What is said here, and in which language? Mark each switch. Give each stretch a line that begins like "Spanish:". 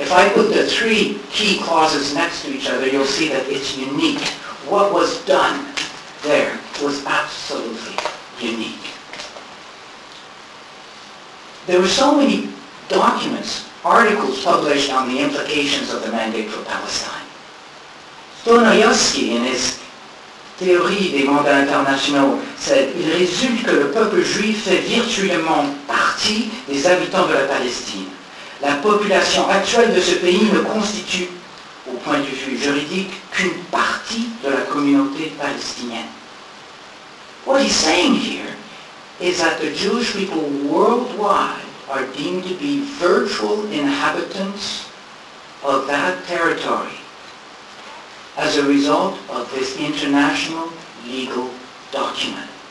English: If I put the three key clauses next to each other, you'll see that it's unique. What was done there was absolutely unique. There were so many documents, articles published on the implications of the mandate for Palestine.
French: Stonoyevsky,
English: in his
French: Théorie des mandats internationaux, said, il résulte que le peuple juif fait virtuellement partie des habitants de la Palestine. La population actuelle de ce pays ne constitue, au point de vue juridique, qu'une partie de la communauté palestinienne.
English: What he's saying here is that the Jewish people worldwide are deemed to be virtual inhabitants of that territory as a result of this international legal document.